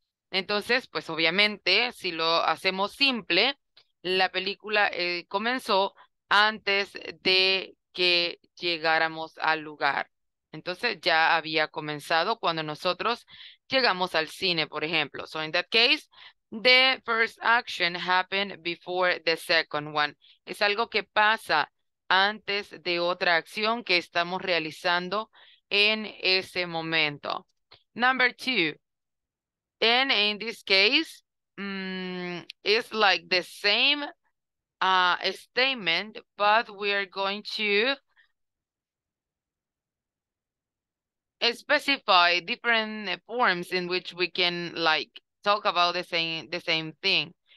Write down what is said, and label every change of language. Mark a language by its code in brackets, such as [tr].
[es] Entonces, pues obviamente, si lo hacemos simple, la película comenzó antes de que llegáramos al lugar. Entonces ya había comenzado cuando nosotros llegamos al cine, por ejemplo. [en] So in that case, the first action happened before the second one. [es] Es algo que pasa antes de otra acción que estamos realizando en ese momento. [en] Number two. And in this case, it's like the same statement, but we are going to specify different forms in which we can like talk about the same thing.